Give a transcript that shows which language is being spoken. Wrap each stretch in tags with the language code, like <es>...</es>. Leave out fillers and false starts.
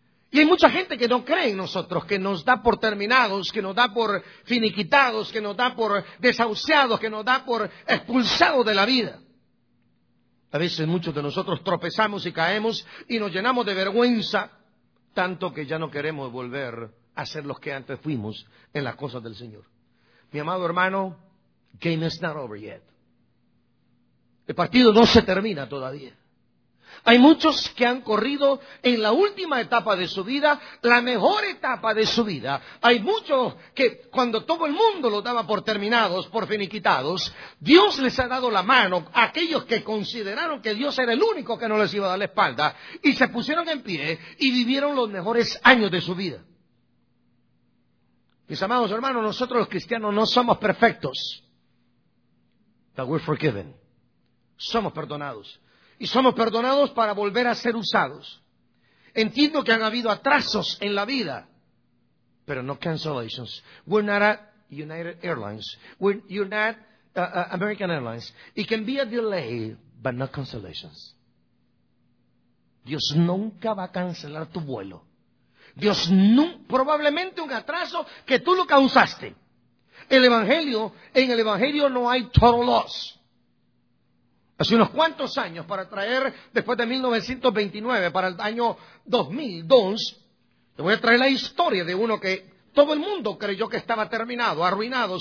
<es>Y hay mucha gente que no cree en nosotros, que nos da por terminados, que nos da por finiquitados, que nos da por desahuciados, que nos da por expulsados de la vida. A veces muchos de nosotros tropezamos y caemos y nos llenamos de vergüenza, tanto que ya no queremos volver a ser los que antes fuimos en las cosas del Señor. Mi amado hermano,</es> <en>game is not over yet.</en> <es>El partido no se termina todavía. Hay muchos que han corrido en la última etapa de su vida, la mejor etapa de su vida. Hay muchos que cuando todo el mundo lo daba por terminados, por finiquitados, Dios les ha dado la mano a aquellos que consideraron que Dios era el único que no les iba a dar la espalda y se pusieron en pie y vivieron los mejores años de su vida. Mis amados hermanos, nosotros los cristianos no somos perfectos.</es> <en>But we're forgiven.</en> <es>Somos perdonados. Y somos perdonados para volver a ser usados. Entiendo que han habido atrasos en la vida, pero no cancellations.</es> <en>We're not a United Airlines. You're not American Airlines. It can be a delay, but not cancellations.</en> <es>Dios nunca va a cancelar tu vuelo. Dios probablemente un atraso que tú lo causaste. En el Evangelio no hay</es> <en>total loss.</en> <es>Hace unos cuantos años, para traer, después de 1929, para el año 2002, te voy a traer la historia de uno que todo el mundo creyó que estaba terminado, arruinado.</es>